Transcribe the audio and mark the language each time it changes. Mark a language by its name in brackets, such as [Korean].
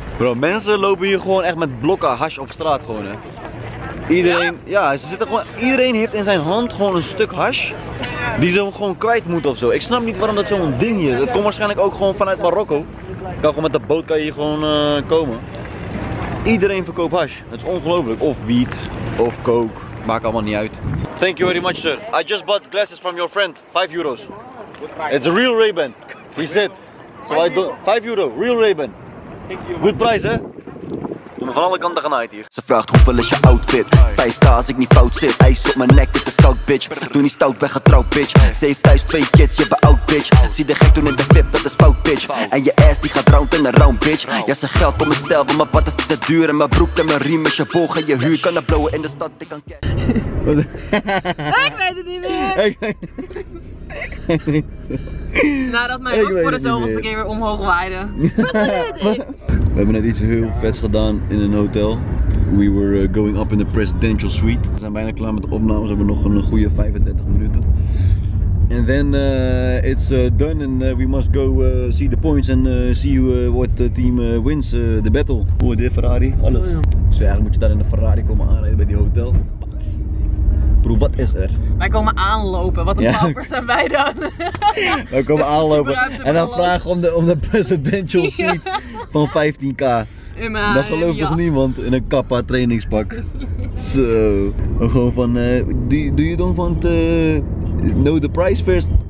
[Dutch] Bro, mensen lopen hier gewoon echt met blokken hash op straat, gewoon, hè. Iedereen, ja, ze zitten gewoon, iedereen heeft in zijn hand gewoon een stuk hash die ze gewoon kwijt moeten ofzo. Ik snap niet waarom dat zo'n ding is. Het komt waarschijnlijk ook gewoon vanuit Marokko. Kan gewoon met de boot kan je hier gewoon komen. Iedereen verkoopt hash. Het is ongelooflijk. Of wiet, of coke. Maakt allemaal niet uit. [English] Thank you very much, sir. I just bought glasses from your friend. 5 euros. It's a real Ray-Ban. He said, so I do 5 euro, real Ray-Ban. Good price, hè? [Dutch] Van alle kanten genaaid hier. Ze vraagt hoeveel is je outfit? 5k als ik niet fout zit. IJs op mijn nek, dit is koud bitch. Doe niet stout, ben getrouwd bitch. 7000, 2 kids, je bent oud bitch. Zie de gek toen in de VIP, dat is fout bitch. En je ass die gaat round in een round bitch. Ja, ze geld op mijn stijl, want mijn patas is te duur. En mijn broek en mijn riem, je boog en je huur. Kan dat blowen in de stad, ik kan kijken. Ik weet het niet meer. Nadat mijn rok voor de zoveelste keer weer omhoog waaide. We hebben net iets heel vets gedaan in een hotel. [English] We were going up in the presidential suite. [Dutch] We zijn bijna klaar met de opnames, we hebben nog een goede 35 minuten. [English] And then it's done and we must go see the points and see you, what team wins the battle. [Dutch] Hoe de Ferrari, alles. Dus eigenlijk moet je daar in de Ferrari komen aanrijden bij die hotel. Broer, wat is er? Wij komen aanlopen. Wat een paupers zijn wij dan? Wij komen aanlopen. En dan vragen om de presidential suite van 15k. Dat gelooft toch niemand in een kappa trainingspak. Zo. [English] So, [Dutch] gewoon van, [English] do you don't want to know the price first?